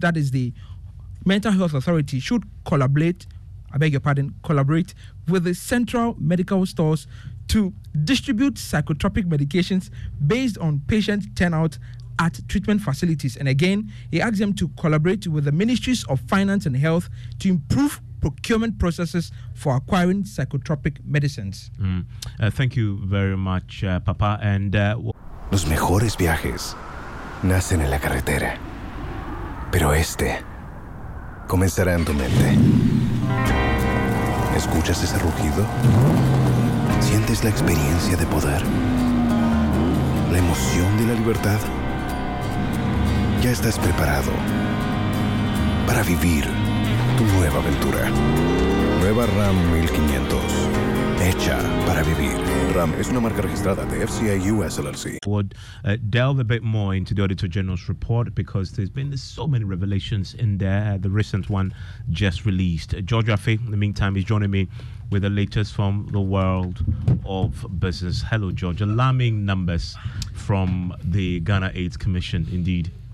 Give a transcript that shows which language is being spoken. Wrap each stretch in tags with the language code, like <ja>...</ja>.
<en>That is, the Mental Health Authority should collaborate with the central medical stores to distribute psychotropic medications based on patient turnout at treatment facilities. And again, he asked them to collaborate with the Ministries of Finance and Health to improve procurement processes for acquiring psychotropic medicines. Thank you very much, Papa. And</en> <es>los mejores viajes nacen en la carretera, pero este comenzará en tu mente. ¿Escuchas ese rugido? ¿Sientes la experiencia de poder? ¿La emoción de la libertad? Ya estás preparado para vivir tu nueva aventura. Nueva Ram 1500. Hecha para vivir. Ram es una marca registrada de FCA US LLC.</es> <en>We'll delve a bit more into the Auditor General's report because there's been so many revelations in there. The recent one just released. George Afe, in the meantime, is joining me with the latest from the world of business. Hello, George. Alarming numbers from the Ghana AIDS Commission, indeed.</en>